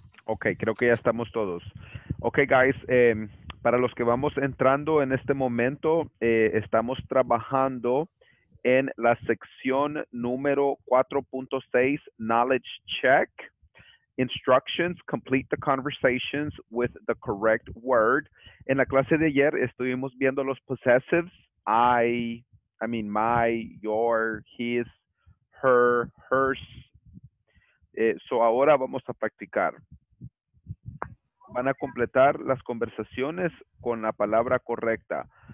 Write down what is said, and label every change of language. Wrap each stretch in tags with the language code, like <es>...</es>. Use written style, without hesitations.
<es>Ok, creo que ya estamos todos.</es> <en>Ok, guys,</en> <es>para los que vamos entrando en este momento, estamos trabajando en la sección número 4.6, Knowledge Check.</es> <en>Instructions, complete the conversations with the correct word.</en> <es>En la clase de ayer estuvimos viendo los possessives.</es> <en>I mean, my, your, his, her, hers.</en> <es>So ahora vamos a practicar. Van a completar las conversaciones con la palabra correcta.</es>